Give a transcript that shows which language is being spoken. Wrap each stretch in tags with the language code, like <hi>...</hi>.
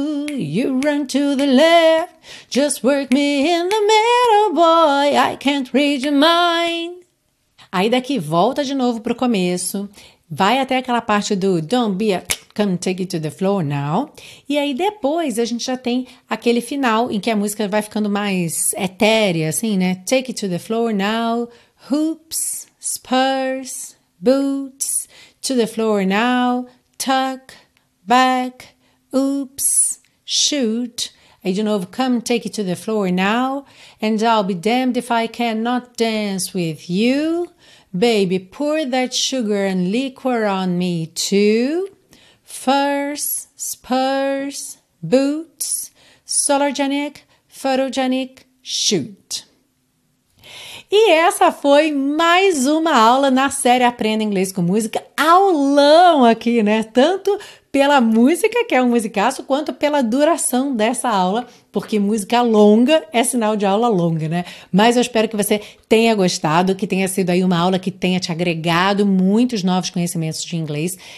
<en>You run to the left. Just work me in the middle, boy. I can't read your mind.</en> <pt>Aí daqui volta de novo pro começo. Vai até aquela parte do</pt> <en>don't be a, come take it to the floor now.</en> <pt>E aí depois a gente já tem aquele final em que a música vai ficando mais etérea, assim, né?</pt> <en>Take it to the floor now, hoops, spurs, boots, to the floor now, tuck, back, oops, shoot.</en> <pt>Aí de novo,</pt> <en>come take it to the floor now, and I'll be damned if I cannot dance with you. Baby, pour that sugar and liquor on me too. Furs, spurs, boots, sologenic, photogenic, shoot.</en> <pt>E essa foi mais uma aula na série Aprenda Inglês com Música. Aulão aqui, né? Tanto pela música, que é um musicaço, quanto pela duração dessa aula, porque música longa é sinal de aula longa, né? Mas eu espero que você tenha gostado, que tenha sido aí uma aula que tenha te agregado muitos novos conhecimentos de inglês.</pt>